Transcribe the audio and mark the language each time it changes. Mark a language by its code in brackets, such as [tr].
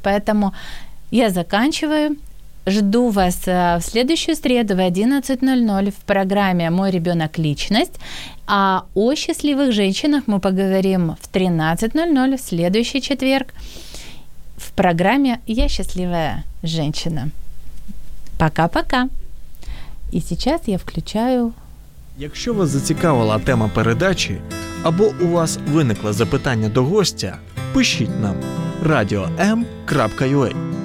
[ru] Поэтому я заканчиваю. Жду вас в следующую среду в 11:00 в программе «Мой ребенок. Личность». А о счастливых женщинах мы поговорим в 13:00 в следующий четверг в программе «Я счастливая женщина». Пока-пока. И сейчас я включаю... [uk] Якщо вас зацікавила тема передачі, або у вас виникло запитання до гостя, пишіть нам radio.m.ua.